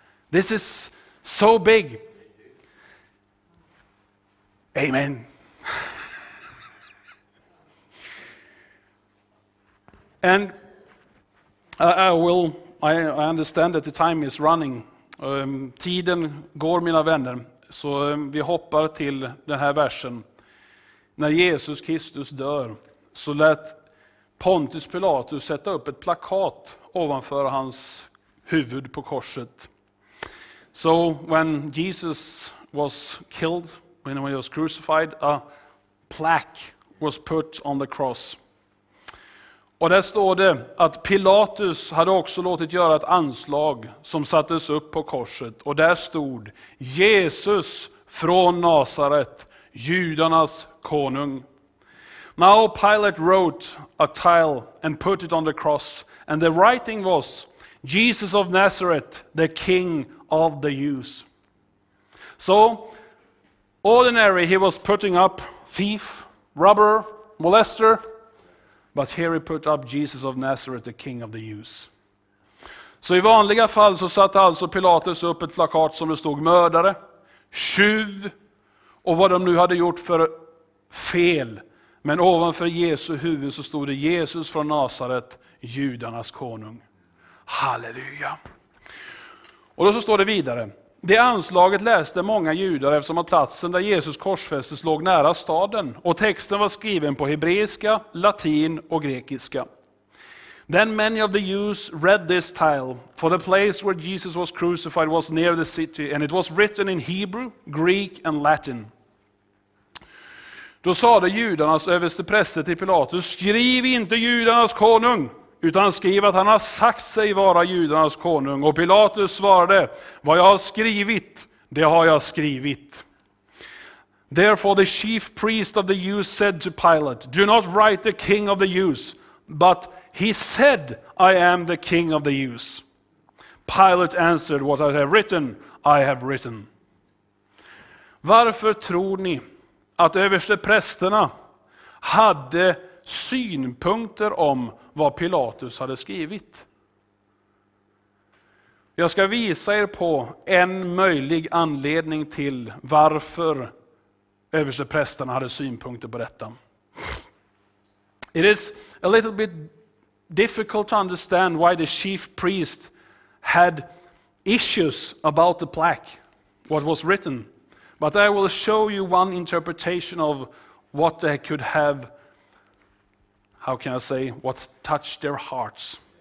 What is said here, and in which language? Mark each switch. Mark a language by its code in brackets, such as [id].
[en] This is so big. Amen. And I understand that the time is running. [sv] Tiden går, mina vänner. Så vi hoppar till den här versen. När Jesus Kristus dör så lät Pontius Pilatus sätta upp ett plakat ovanför hans huvud på korset. [en] So when Jesus was killed, when he was crucified, a plaque was put on the cross. [sv] Och där står det att Pilatus hade också låtit göra ett anslag som sattes upp på korset. Och där stod Jesus från Nazaret, judarnas konung. [en] Now Pilate wrote a tile and put it on the cross. And the writing was Jesus of Nazareth, the king of the Jews. So ordinary, he was putting up thief, robber, molester. But here he put up Jesus of Nazareth, the king of the Jews. [sv] Så i vanliga fall så satte alltså Pilatus upp ett plakat som det stod mördare, tjuv och vad de nu hade gjort för fel. Men ovanför Jesu huvud så stod det Jesus från Nazaret, judarnas konung. Halleluja. Och då så står det vidare. Det anslaget läste många judar eftersom att platsen där Jesus korsfästes låg nära staden. Och texten var skriven på hebreiska, latin och grekiska. [en] Then many of the Jews read this tile, for the place where Jesus was crucified was near the city, and it was written in Hebrew, Greek and Latin. [sv] Då sade judarnas överstepräster till Pilatus: skriv inte judarnas konung, utan skriv att han har sagt sig vara judarnas konung. Och Pilatus svarade: vad jag har skrivit, det har jag skrivit. [en] Therefore the chief priest of the Jews said to Pilate: do not write the king of the Jews, but he said, I am the king of the Jews. Pilate answered, what I have written, I have written. [sv] Varför tror ni att överste prästerna hade synpunkter om vad Pilatus hade skrivit? Jag ska visa er på en möjlig anledning till varför överste prästerna hade synpunkter på detta. [en] It is a little bit difficult to understand why the chief priest had issues about the plaque, what was written. But I will show you one interpretation of what they could have, how can I say, what touched their hearts.